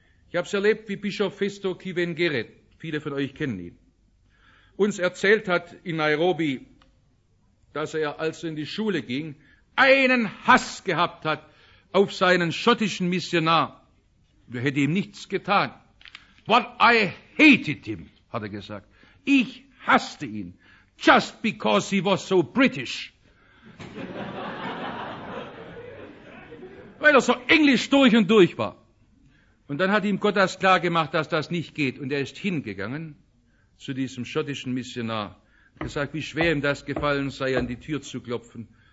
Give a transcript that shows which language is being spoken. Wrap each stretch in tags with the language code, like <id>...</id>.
<de>Ich habe es erlebt, wie Bischof Festo Kiwengere, viele von euch kennen ihn, uns erzählt hat in Nairobi, dass er, als er in die Schule ging, einen Hass gehabt hat auf seinen schottischen Missionar. Er hätte ihm nichts getan.</de> <en>But I hated him,</en> <de>hat er gesagt. Ich hasste ihn.</de> <en>Just because he was so British.</en> <de>Weil er so englisch durch und durch war. Und dann hat ihm Gott das klar gemacht, dass das nicht geht. Und er ist hingegangen zu diesem schottischen Missionar. Er sagt, wie schwer ihm das gefallen sei, an die Tür zu klopfen.</de>